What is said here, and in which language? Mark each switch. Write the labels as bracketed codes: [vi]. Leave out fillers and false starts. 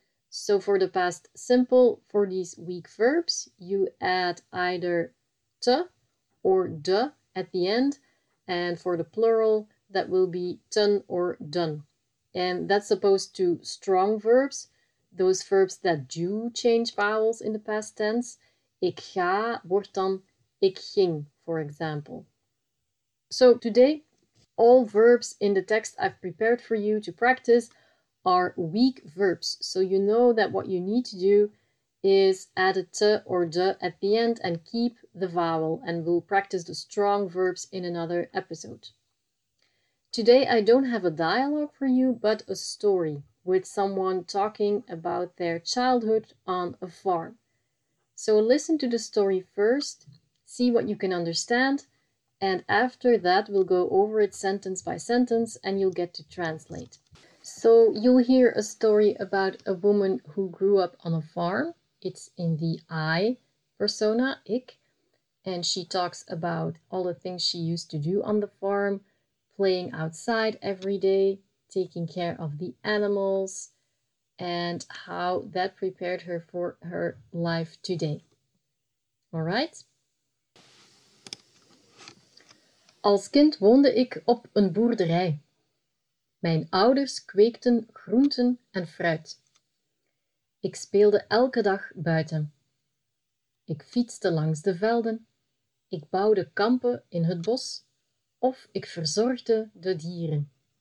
[en] So for the past simple, for these weak verbs, you add either te or de at the end, and for the plural, that will be ten or done. And that's opposed to strong verbs, those verbs that do change vowels in the past tense. [nl] Ik ga wordt dan ik ging, [en] for example. So today, all verbs in the text I've prepared for you to practice are weak verbs. So you know that what you need to do is add a te or de at the end and keep the vowel, and we'll practice the strong verbs in another episode. Today I don't have a dialogue for you, but a story with someone talking about their childhood on a farm. So listen to the story first, see what you can understand, and after that we'll go over it sentence by sentence and you'll get to translate. So you'll hear a story about a woman who grew up on a farm. It's in the I persona, ik, and she talks about all the things she used to do on the farm, playing outside every day, taking care of the animals, and how that prepared her for her life today. All right? [nl] Als kind woonde ik op een boerderij. Mijn ouders kweekten groenten en fruit. Ik speelde elke dag buiten. Ik fietste langs de velden. Ik bouwde kampen in het bos. Of ik verzorgde de dieren.